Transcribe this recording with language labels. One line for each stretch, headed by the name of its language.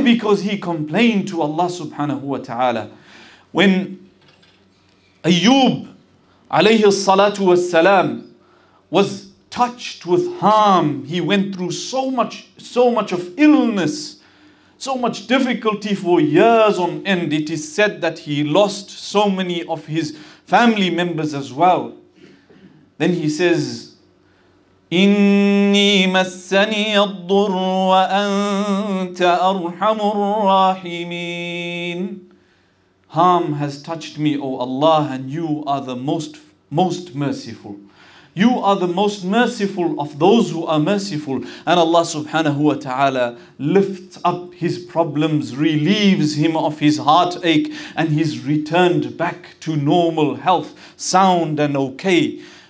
English: Because he complained to Allah subhanahu wa ta'ala. When Ayyub alayhi salatu wasalam was touched with harm, he went through so much of illness, so much difficulty for years on end. It is said that he lost so many of his family members as well. Then he says,
Arabic: إني مسني الضر وأنت أرحم الراحمين.
English: Harm has touched me, O Allah, and You are the most merciful. You are the most merciful of those who are merciful. And Allah subhanahu wa ta'ala lifts up his problems, relieves him of his heartache, and he's returned back to normal health, sound and okay.